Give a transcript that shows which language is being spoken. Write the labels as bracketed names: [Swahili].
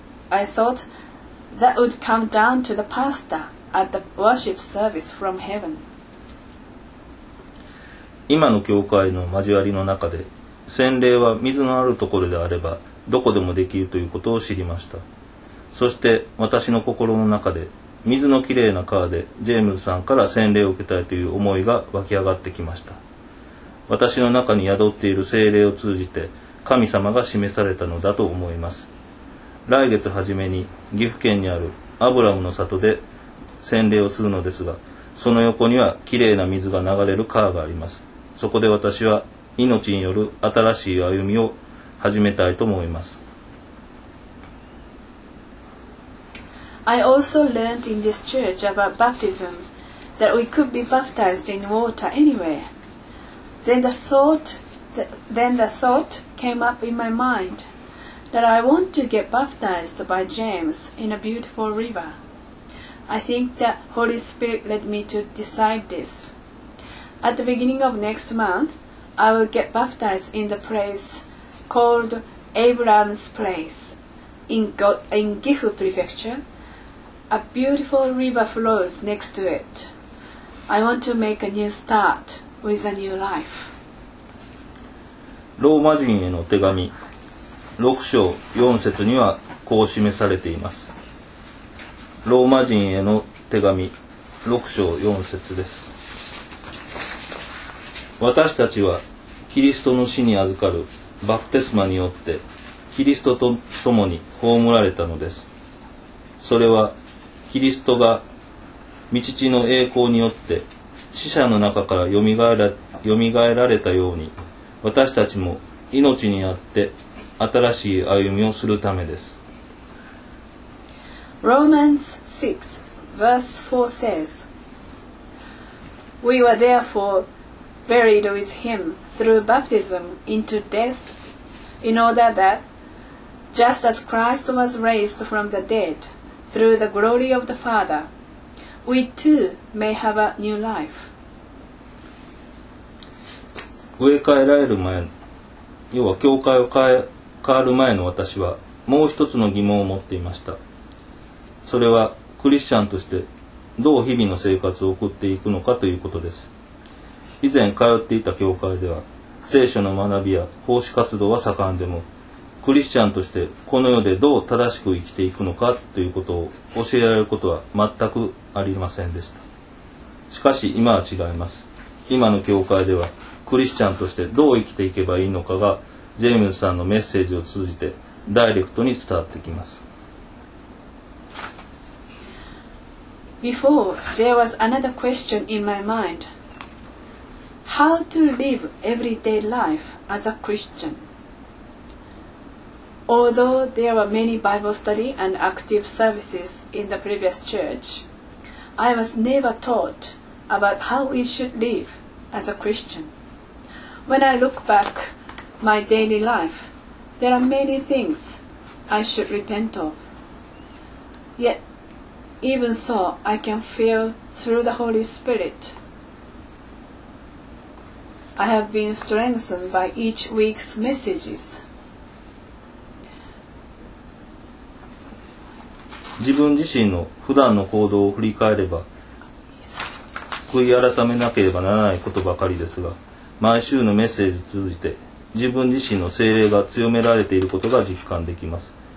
[English] I thought that would come down to the pastor at the worship service from heaven. [Japanese] 今の教会の交わりの中で、洗礼は水のあるところであればどこでもできるということを知りました。そして私の心の中で水のきれいな川でジェームズさんから洗礼を受けたいという思いが湧き上がってきました。私の中に宿っている聖霊を通じて神様が示されたのだと思います。来月初めに岐阜県にあるアブラムの里で洗礼をするのですが、その横にはきれいな水が流れる川があります。そこで私は命による新しい歩みを始めたいと思います。 [English] I also learned in this church about baptism, that we could be baptized in water anywhere. Then the thought came up in my mind that I want to get baptized by James in a beautiful river. I think that Holy Spirit led me to decide this. At the beginning of next month,I will get baptized in the place called Abraham's Place in Gifu Prefecture. A beautiful river flows next to it. I want to make a new start with a new life. [Japanese] ローマ人への手紙6章4節にはこう示されています。ローマ人への手紙6章4節です。私たちはキリストの死に預かるバプテスマによってキリストと共に葬られたのです。それはキリストが御父の栄光によって死者の中からよみがえられたように私たちも命にあって新しい歩みをするためです。 [English] Romans 6 verse 4 says, We were therefore buried with him through baptism into death, in order that, just as Christ was raised from the dead through the glory of the Father, we too may have a new life. [Japanese] 植え替えられる前、要は教会を変わる前の私はもう一つの疑問を持っていました。それはクリスチャンとしてどう日々の生活を送っていくのかということです。以前通っていた教会では聖書の学びや奉仕活動は盛んでも、クリスチャンとしてこの世でどう正しく生きていくのかということを教えられることは全くありませんでした。しかし今は違います。今の教会ではクリスチャンとしてどう生きていけばいいのかがジェームズさんのメッセージを通じてダイレクトに伝わってきます。 [English] Before, there was another question in my mind. How to live everyday life as a Christian? Although there were many Bible study and active services in the previous church, I was never taught about how we should live as a Christian. When I look back my daily life, there are many things I should repent of. Yet, even so, I can feel through the Holy Spirit. I have been strengthened by each week's messages. [Japanese] 自分自身の普段の行動を振り返れば、悔い改めなければならないことばかりですが、毎週のメッセージを通じて自分自身の聖霊が強められていることが実感できます。